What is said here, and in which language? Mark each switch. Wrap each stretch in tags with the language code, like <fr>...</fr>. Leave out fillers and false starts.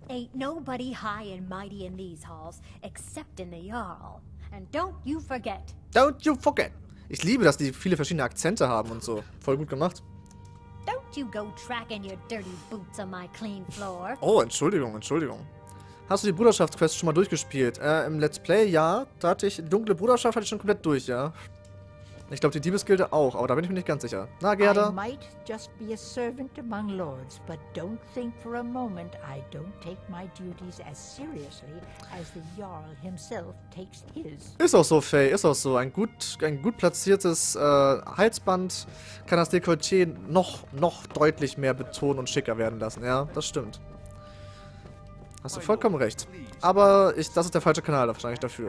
<en>Ain't nobody high and mighty in these halls, except in the Jarl. And don't you forget. Don't you forget.</en> <de>Ich liebe, dass die viele verschiedene Akzente haben und so. Voll gut gemacht.</de> <en>Don't you go tracking your dirty boots on my clean floor.</en> <de>Oh, Entschuldigung, Entschuldigung. Hast du die Bruderschaftsquest schon mal durchgespielt? Im Let's Play, ja. Da hatte ich dunkle Bruderschaft hatte ich schon komplett durch, ja. Ich glaube, die Diebesgilde auch, aber da bin ich mir nicht ganz sicher. Na, Gerda?</de> <en>I might just be a servant among lords, but don't think for a moment I don't take my duties as seriously as the Jarl himself takes his.</en> <de>Ist auch so, Faye, ist auch so. Ein gut platziertes Halsband kann das Dekolleté noch deutlich mehr betonen und schicker werden lassen. Ja, das stimmt. Hast du vollkommen recht. Aber das ist der falsche Kanal wahrscheinlich dafür.</de>